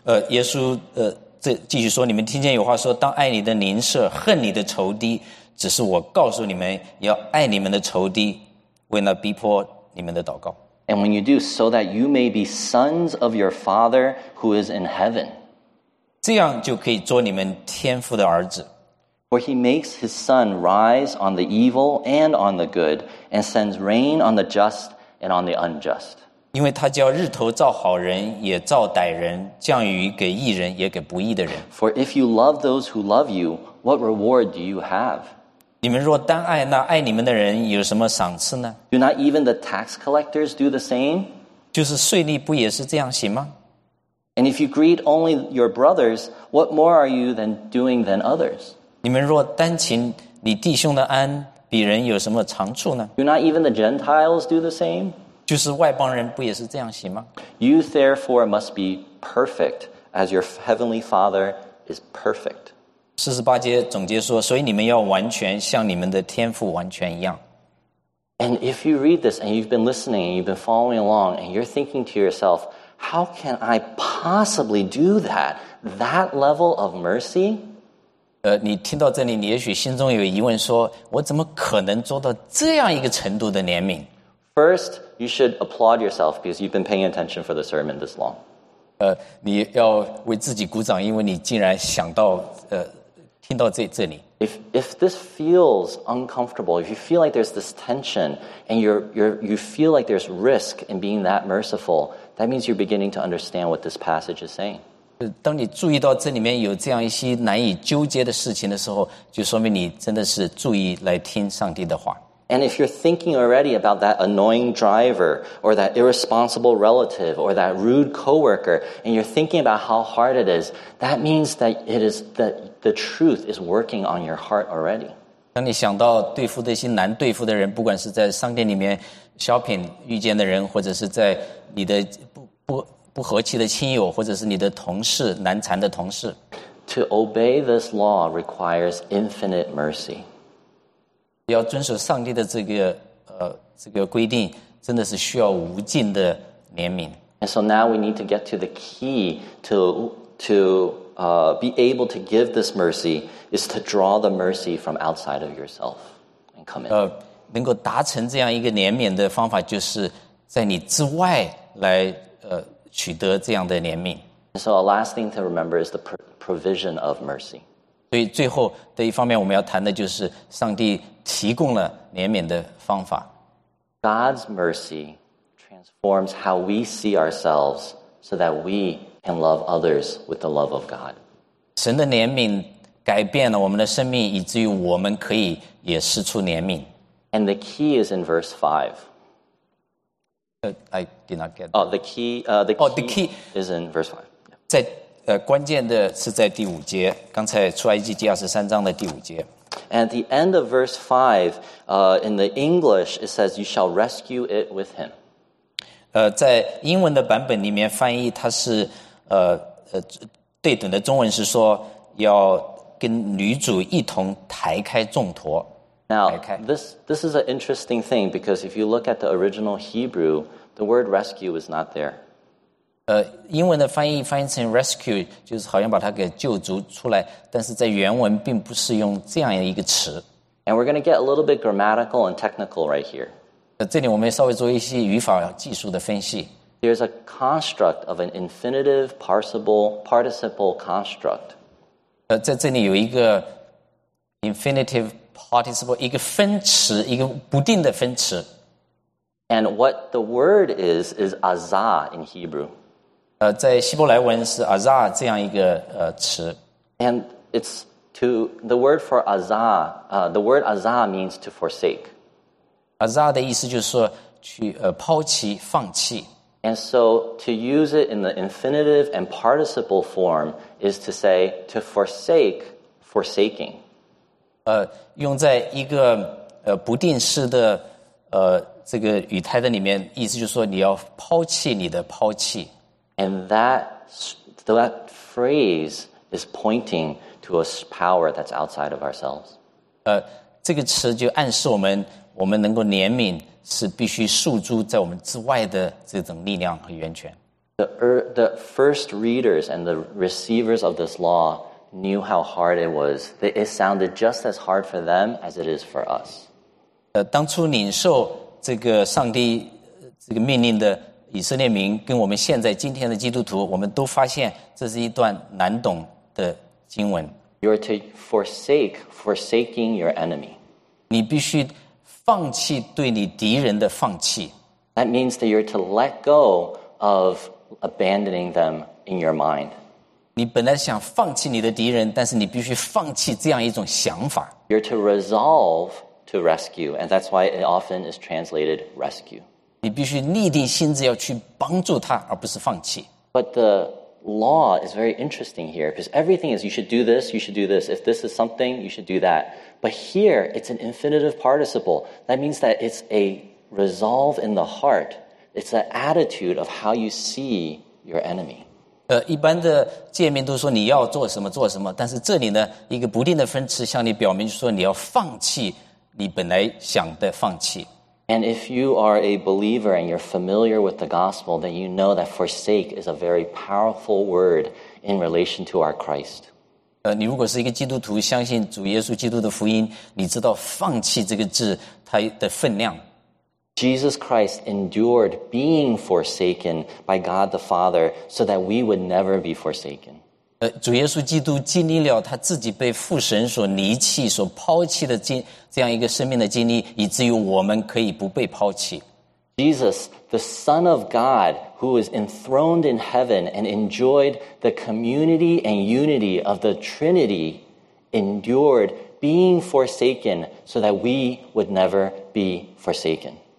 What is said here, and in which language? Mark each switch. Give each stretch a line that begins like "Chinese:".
Chinese: 耶稣这继续说你们听见有话说当爱你的邻舍恨你的仇敌只是我告诉你们要爱你们的仇敌为那逼迫你们的祷告。
English: And when you do, so that you may be sons of your Father who is in heaven.
Chinese: 这样就可以做你们天父的儿子。
English: For he makes his sun rise on the evil and on the good, and sends rain on the just and on the unjust.
Chinese: 因为他叫日头照好人，也照歹人，降雨给义人，也给不义的人。
English: For if you love those who love you, what reward do you have?
Chinese: 你们若单爱那爱你们的人，有什么赏赐呢？
English: Do not even the tax collectors do the same?
Chinese: 就是税吏不也是这样行吗？
English: And if you greet only your brothers, what more are you than doing than others?
Chinese: 你们若单请你弟兄的安，比人有什么长处呢？
English: Do not even the Gentiles do the same?
Chinese: 就是外邦人不也是这样行吗？
English: You therefore must be perfect as your heavenly Father is perfect.
Chinese: 四十八节总结说，所以你们要完全像你们的天父完全一样。
English: And if you read this and you've been listening and you've been following along and you're thinking to yourself, how can I possibly do that? That level of mercy?
Chinese: 你听到这里，你也许心中有疑问，说我怎么可能做到这样一个程度的怜悯
English: ？First, you should applaud yourself because you've been paying attention for the sermon this long.
Chinese: 你要为自己鼓掌，因为你竟然想到听到这里。
English: If this feels uncomfortable, if you feel like there's this tension, and you feel like there's risk in being that merciful, that means you're beginning to understand what this passage is saying.
Chinese: 当你注意到这里面有这样一些难以纠结的事情的时候，就说明你真的是注意来听上帝的话。
English: And if you're thinking already about that annoying driver, or that irresponsible relative, or that rude coworker, and you're thinking about how hard it is, that means that it is that the truth is working on your heart already.
Chinese: 当你想到对付这些难对付的人，不管是在商店里面 shopping 遇见的人，或者是在你的不和气的亲友，或者是你的同事，难缠的同事。
English: To obey this law requires infinite mercy.
Chinese: 要遵守上帝的这个规定，真的是需要无尽的怜悯。
English: And so now we need to get to the key to be able to give this mercy is to draw the mercy from outside of yourself and come in.
Chinese: 能够达成这样一个怜悯的方法，就是在你之外来取得这样的怜悯。
English: So a last thing to remember is the provision of mercy.
Chinese: 所以最后的一方面我们要谈的就是上帝提供了怜悯的方法。
English: God's mercy transforms how we see ourselves so that we can love others with the love of God.
Chinese: 神的怜悯改变了我们的生命，以至于我们可以也施出怜悯。
English: And the key is in verse 5. I did not get. The key is in verse 5.
Chinese: 在关键的是在第五节，刚才出埃及记二十三章的第五节。
English: At the end of verse 5, in the English, it says, "You shall rescue it with him."
Chinese: 在英文的版本里面翻译，它是对等的中文是说要跟女主一同抬开重驮。
English: Now, this is an interesting thing because if you look at the original Hebrew, the word rescue is not there.
Chinese: 英文的翻译成 rescue 就是好像把它给救足出来，但是在原文并不是用这样一个词。
English: And we're going to get a little bit grammatical and technical right here.
Chinese: 这里我们稍微做一些语法技术的分析。
English: There's a construct of an infinitive participle construct.
Chinese: 在这里有一个
English: infinitive participle
Chinese: 一个分词，一个不定的分词。
English: And what the word is azah in Hebrew.
Chinese: 在希伯来文是 azah 这样一个词。
English: And it's to the word for azah. The word azah means to forsake.
Chinese: Azah 的意思就是说去抛弃、放弃。
English: And so to use it in the infinitive and participle form is to say to forsake, forsaking.
Chinese: 用在一个不定式的这个语态的里面，意思就是说你要抛弃你的抛弃。
English: And that phrase is pointing to a power that's outside of ourselves.
Chinese: 这个词就暗示我们能够怜悯是必须诉诸在我们之外的这种力量和源泉。
English: The first readers and the receivers of this law. Knew how hard it was. It sounded just as hard for them as it is for us.
Chinese: 当初领受这个上帝这个命令的以色列民跟我们现在今天的基督徒，我们都发现这是一段难懂的经文。
English: You are to forsaking your enemy.
Chinese: 你必须放弃对你敌人的放弃。
English: That means that you are to let go of abandoning them in your mind.
Chinese: 你本来想放弃你的敌人，但是你必须放弃这样一种想法。
English: You are to resolve to rescue, and that's why it often is translated rescue.
Chinese: 你必须立定心志要去帮助他，而不是放弃。
English: But the law is very interesting here because everything is you should do this, you should do this. If this is something, you should do that. But here, it's an infinitive participle. That means that it's a resolve in the heart. It's an attitude of how you see your enemy.
Chinese: 一般的诫命都说你要做什么做什么，但是这里呢，一个不定的分词向你表明说你要放弃你本来想的放弃。
English: And if you are a believer and you're familiar with the gospel, then you know that forsake is a very powerful word in relation to our Christ.
Chinese: 你如果是一个基督徒，相信主耶稣基督的福音，你知道放弃这个字它的分量。
English: Jesus Christ endured being forsaken by God the Father so that we would never be forsaken.
Chinese: 主耶稣基督经历了他自己被父神所离弃、所抛弃的经。这样一个生命的经历，以至于我们可以不被抛弃。
English: Jesus, the Son of God, who is enthroned in heaven and enjoyed the community and unity of the Trinity, endured being forsaken so that we would never be forsaken.